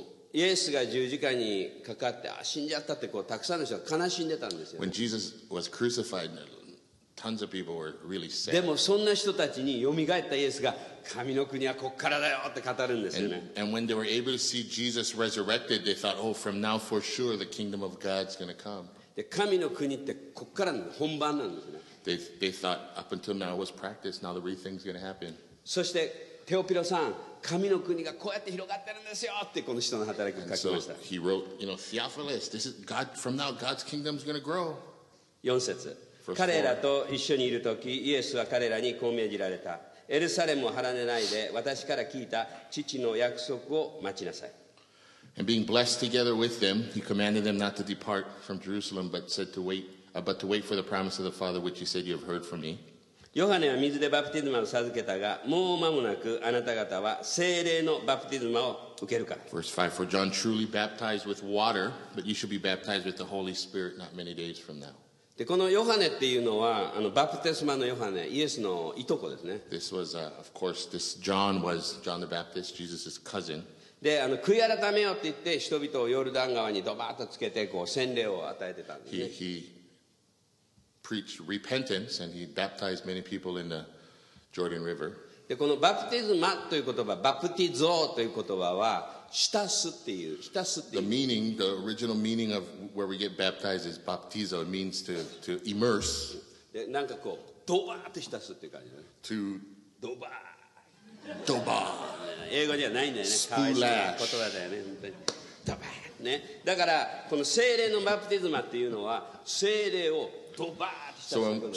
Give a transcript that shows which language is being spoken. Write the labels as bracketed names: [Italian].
[Japanese] イエスが十字架にかかって死んじゃったってこうたくさんの人が悲しんでたんですよ、ね、 [English] When Jesus was crucified Tons of people were really sad. [Japanese] でもそんな人たちによみがえったイエスが神の国はこっからだよって語るんですよね。 [English] And when they were able to see Jesus resurrected, they thought, oh, from now for sure the kingdom of God's going to come. [Japanese] で神の国ってこっから本番なんですね。 [English] They thought up until now it was practice. Now the real thing's going to happen. [Japanese] そしてテオピロさん、神の国がこうやって広がってるんですよってこの人の働きを書きました。 [English] And so he wrote, you know, Theophilus, this is God. From now, God's kingdom's going to grow. [Japanese] 4節。彼らと一緒にいるときイエスは彼らにこう命じられたエルサレムを離れないで私から聞いた父の約束を待ちなさい [English] And being blessed together with them, he commanded them not to depart from Jerusalem, but said to wait, but to wait for the promise of the Father, which he said you have heard from me. [Japanese] ヨハネは水でバプティズマを授けたが、もう間もなくあなた方は聖霊のバプティズマを受けるから。 [English] Verse 5, for John truly baptized with water, but you shall be baptized with the Holy Spirit not many days from now. [Japanese] で、このヨハネっていうのは、あのバプテスマのヨハネ、イエスのいとこですね。 [English] This was, of course, this John was John the Baptist, Jesus' cousin. [Japanese] で、あの悔い改めようって言って人々をヨルダン川にドバーッとつけてこう洗礼を与えてたんですね。 [English] He preached repentance and he baptized many people in the Jordan River. [Japanese] で、このバプティズマという言葉、バプティゾーという言葉は浸すっていう、浸すっていう。 [English] The meaning, the original meaning of where we get baptized is baptizo. It means to immerse. [Japanese] で、なんかこうドバーッと浸すっていう感じね。 [English] To [Japanese] ドバー。ドバー英語ではないんだよね。かわいそうな言葉だよね。本当にドバー、ね、だからこの聖霊のバプティズマっていうのは聖霊をドバーって浸すことだよね。